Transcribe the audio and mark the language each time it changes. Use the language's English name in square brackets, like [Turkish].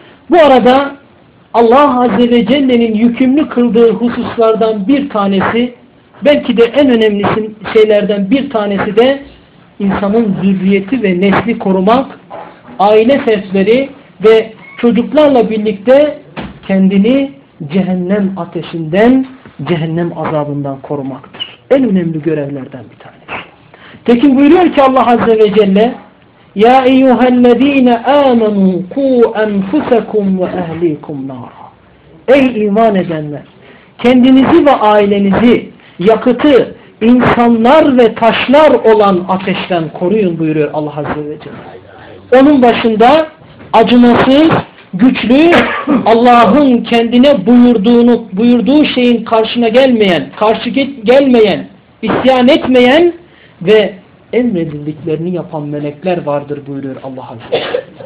[Turkish] Bu arada Allah Azze ve Celle'nin yükümlü kıldığı hususlardan bir tanesi, belki de en önemli şeylerden bir tanesi de insanın zürriyeti ve nesli korumak, aile fertleri ve çocuklarla birlikte kendini cehennem ateşinden, cehennem azabından korumaktır. En önemli görevlerden bir tanesi. Tekin buyuruyor ki Allah Azze ve Celle, [Arabic] يَا اَيُّهَا الَّذ۪ينَ آمَنُوا قُوْ أَنْفُسَكُمْ وَأَهْل۪يكُمْ نَارًا. [Turkish] Ey iman edenler! Kendinizi ve ailenizi, yakıtı, insanlar ve taşlar olan ateşten koruyun buyuruyor Allah Azze ve Celle. Onun başında acımasız, güçlü, Allah'ın kendine buyurduğunu, buyurduğu şeyin karşına gelmeyen, karşı gelmeyen, isyan etmeyen ve emredildiklerini yapan melekler vardır buyuruyor Allah Azze ve Celle.